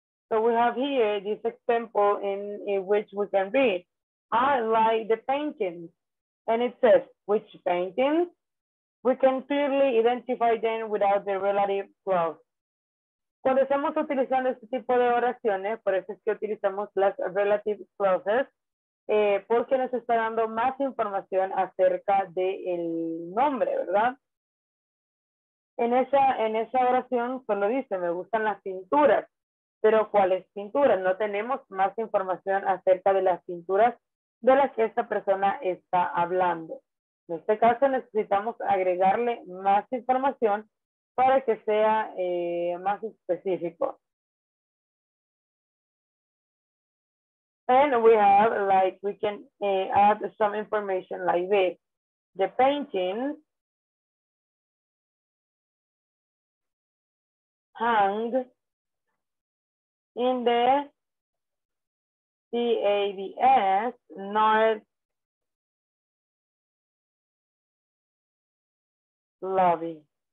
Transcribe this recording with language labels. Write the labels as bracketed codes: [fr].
[en] So we have here this example in which we can read, I like the paintings. And it says, which paintings? We can clearly identify them without the relative clause. [es] Cuando estamos utilizando este tipo de oraciones, por eso es que utilizamos las [en] relative clauses, [es] porque nos está dando más información acerca del nombre, ¿verdad? En esa oración solo dice, me gustan las pinturas. Pero ¿cuáles pinturas? No tenemos más información acerca de las pinturas de las que esta persona está hablando. En este caso necesitamos agregarle más información para que sea más específico. [en] And we have, like, we can add some information like this. The painting hung in the CABS North lobby.